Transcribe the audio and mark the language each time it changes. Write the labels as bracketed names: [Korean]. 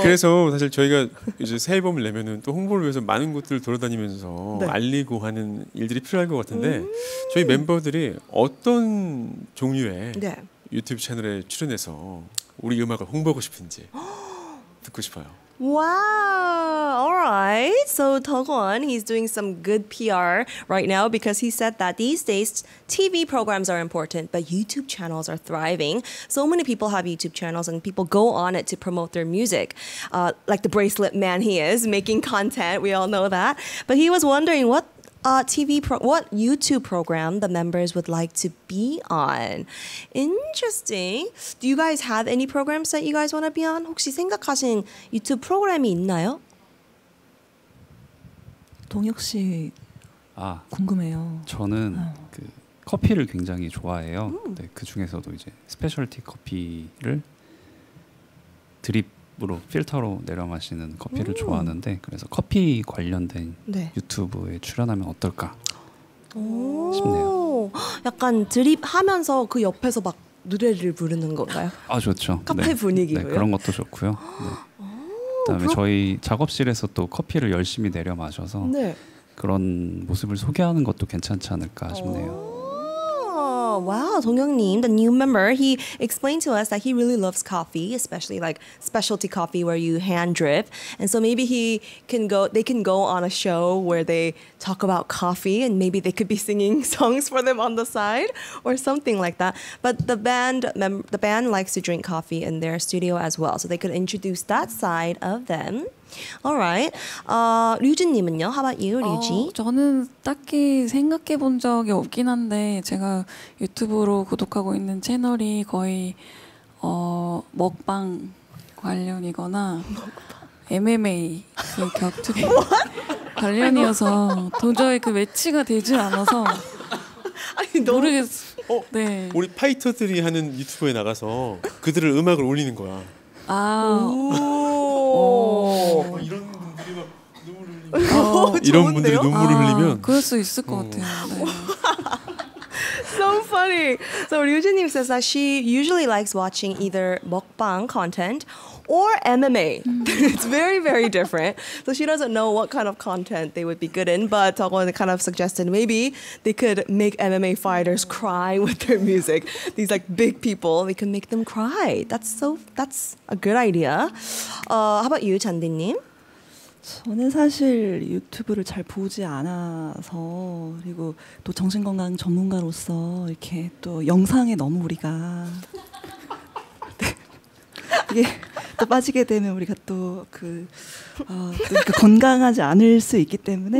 [Korean] 그래서 사실 저희가 이제 새 앨범을 내면은 또 홍보를 위해서 많은 곳들을 돌아다니면서 네. 알리고 하는 일들이 필요할 것 같은데 저희 멤버들이 어떤 종류의 네. 유튜브 채널에 출연해서 우리 음악을 홍보하고 싶은지 듣고 싶어요. [English] Wow. All right. So, 덕원, he's doing some good PR right now because he said that these days TV programs are important, but YouTube channels are thriving. So many people have YouTube channels and people go on it to promote their music. Like the bracelet man he is, making content. We all know that. But he was wondering what YouTube program the members would like to be on. Interesting. Do you guys have any programs that you guys want to be on? [Korean] 혹시 생각하신 유튜브 프로그램이 있나요? 동혁 씨, 아, 궁금해요. 저는 그 커피를 굉장히 좋아해요. 네, 그 중에서도 이제 스페셜티 커피를 드립 으로 필터로 내려 마시는 커피를 좋아하는데 그래서 커피 관련된 네. 유튜브에 출연하면 어떨까 싶네요. 약간 드립하면서 그 옆에서 막 노래를 부르는 건가요? 아 좋죠. 카페 네. 분위기고요. 네, 그런 것도 좋고요. 네. 그다음에 저희 작업실에서 또 커피를 열심히 내려 마셔서 네. 그런 모습을 소개하는 것도 괜찮지 않을까 싶네요. [English] Wow, 동혁님, the new member, he explained to us that he really loves coffee, especially like specialty coffee where you hand drip. And so maybe they can go on a show where they talk about coffee and maybe they could be singing songs for them on the side or something like that. But the band likes to drink coffee in their studio as well. So they could introduce that side of them. All right. [Korean] 류진님은요? [English] How about you, 류지? [Korean] 저는 딱히 생각해 본 적이 없긴 한데 제가 유튜브로 구독하고 있는 채널이 거의 먹방 관련이거나 MMA 격투기 관련이어서 도저히 그 매치가 되질 않아서 아니, 모르겠어. 네. 우리 파이터들이 하는 유튜브에 나가서 그들을 음악을 올리는 거야. 아. 이런 분들이 눈물을 흘리면 그럴 수 있을 것 같아요. 네. [English] So funny. So Ryujin says that she usually likes watching either mukbang content or MMA. It's very, very different. So she doesn't know what kind of content they would be good in, but Taegwon kind of suggested maybe they could make MMA fighters cry with their music. These like big people, they can make them cry. That's a good idea. How about you, 잔디님? [Korean] 저는 사실 유튜브를 잘 보지 않아서 그리고 또 정신건강 전문가로서 이렇게 또 영상에 너무 우리가 이게 또 빠지게 되면 우리가 또 그 그러니까 건강하지 않을 수 있기 때문에